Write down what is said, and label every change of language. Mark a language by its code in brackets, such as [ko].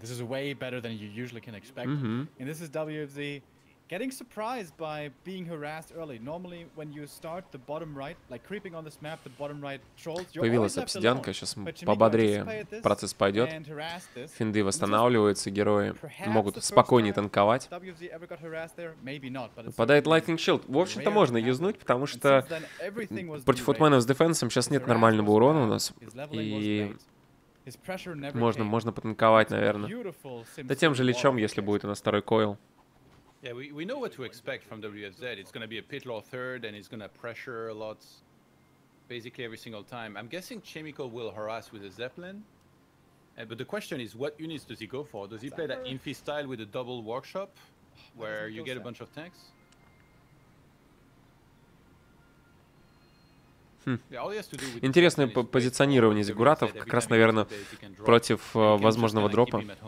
[en] This is way better than you usually can expect. And this is WFZ getting surprised by being harassed early. Normally, when you start the bottom right, like creeping on this map, the bottom right trolls. [ru] Появилась обсидианка, сейчас пободрее процесс пойдет. Финды восстанавливаются, герои могут спокойнее танковать. Падает Lightning Shield. В общем-то, можно юзнуть, потому что против футменов с дефенсом сейчас нет нормального урона у нас. И можно потанковать, наверное. Да тем же личом, если будет у нас второй койл. [en] Yeah, we know what to expect from WFZ. It's going to be a pit law third, and he's going to pressure a lot, basically every single time. I'm guessing Chemico will harass with a Zeppelin, but the question is, what units does he go for? Does he play that Infi style with a double workshop, where you get a bunch of tanks? [ru] Интересное позиционирование зиггуратов, как раз, наверное, против возможного дропа.